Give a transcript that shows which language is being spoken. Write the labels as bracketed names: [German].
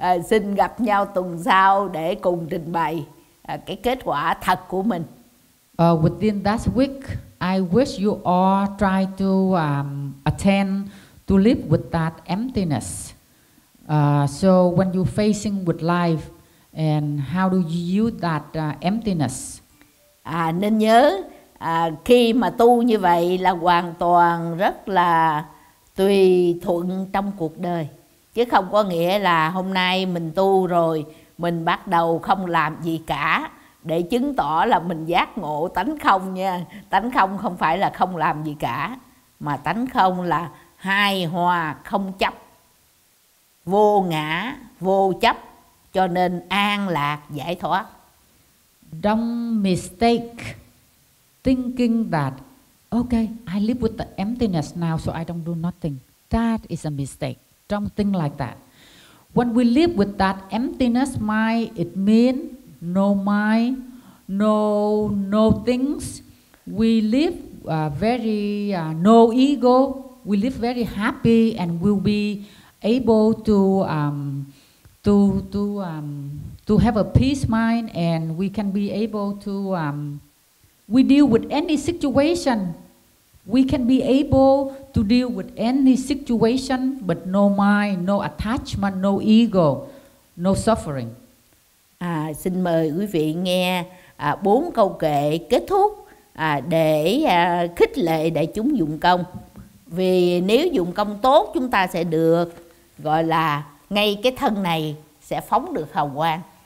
[Vietnamese] Xin gặp nhau tuần sau để cùng trình bày cái kết quả thật của mình. [English] Within that week, I wish you all try to attend to live with that emptiness. So when you're facing with life, and how do you use that emptiness? [Vietnamese] Nên nhớ khi mà tu như vậy là hoàn toàn rất là tùy thuận trong cuộc đời, chứ không có nghĩa là hôm nay mình tu rồi mình bắt đầu không làm gì cả. Để chứng tỏ là mình giác ngộ tánh không nha. Tánh không không phải là không làm gì cả, mà tánh không là hài hòa, không chấp, vô ngã, vô chấp, Cho nên an lạc giải thoát. [English] Don't mistake thinking that okay, I live with the emptiness now, so I don't do nothing. That is a mistake. Don't think like that. When we live with that emptiness mind, it means no mind, no things. We live no ego. We live very happy and will be able to have a peace mind, and we can be able to we deal with any situation. We can be able to deal with any situation, but no mind, no attachment, no ego, no suffering. [Vietnamese] Xin mời quý vị nghe bốn câu kệ kết thúc để khích lệ đại chúng dụng công. Vì nếu dụng công tốt, chúng ta sẽ được gọi là ngay cái thân này sẽ phóng được hào quang.